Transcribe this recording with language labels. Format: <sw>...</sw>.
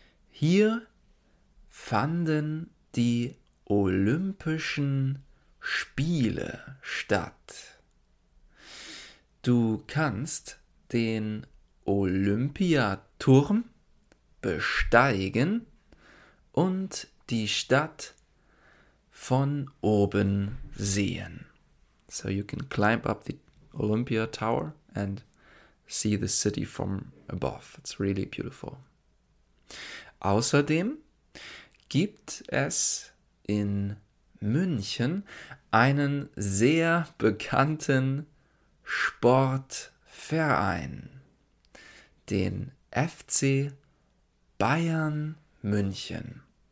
<de>Hier fanden die Olympischen Spiele statt. Du kannst den Olympiaturm besteigen und die Stadt von oben sehen.</de> <en>So you can climb up the Olympia Tower and see the city from above. It's really beautiful.</en> <de>Außerdem gibt es in München einen sehr bekannten Sportverein, den FC Bayern München.</de>